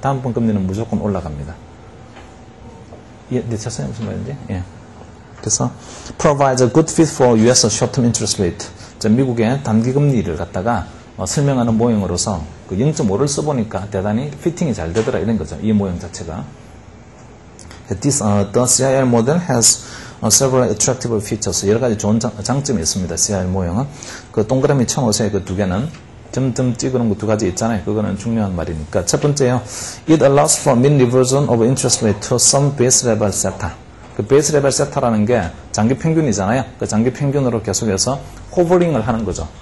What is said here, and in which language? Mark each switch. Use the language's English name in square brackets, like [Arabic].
[Korean] 다음번 금리는 무조건 올라갑니다. 예, 네, 됐어요. 무슨 말인지? 예. 그래서 [English] provides a good fit for US short-term interest rate. [Korean] 자, 미국의 단기 금리를 갖다가 설명하는 모형으로서 그 0.5를 써보니까 대단히 피팅이 잘 되더라 이런 거죠. 이 모형 자체가. [English] This, the CIR model has several attractive features. [Korean] 여러 가지 좋은 장점이 있습니다. CIR 모형은. 그 동그라미 쳐 놓으세요. 그 두 개는. 점점 찍어놓은 거 두 가지 있잖아요. 그거는 중요한 말이니까. 첫 번째요. [English] It allows for mean reversion of interest rate to some base level theta. [Korean] 그 베이스 레벨 세타라는 게 장기 평균이잖아요. 그 장기 평균으로 계속해서 호버링을 하는 거죠.